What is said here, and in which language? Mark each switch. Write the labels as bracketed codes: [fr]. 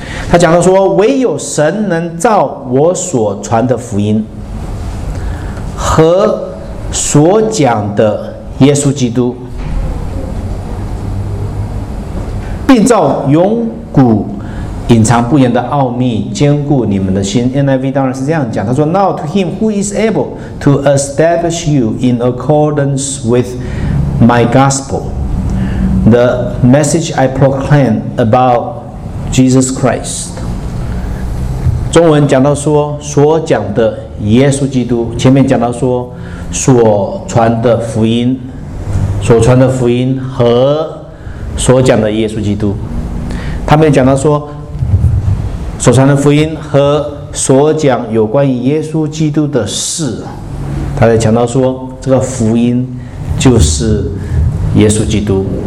[zh] 他讲到说，唯有神能照我所传的福音和所讲的耶稣基督，并照永古隐藏不言的奥秘坚固你们的心。 [en] NIV [zh] 当然是这样讲，他说 [en] Now to him who is able to establish you in accordance with my gospel, the message I proclaim aboutJesus Christ。 [zh] 中文讲到说所讲的耶稣基督，前面讲到说所传的福音，所传的福音和所讲的耶稣基督，他们讲到说所传的福音和所讲有关于耶稣基督的事，他在讲到说这个福音就是耶稣基督。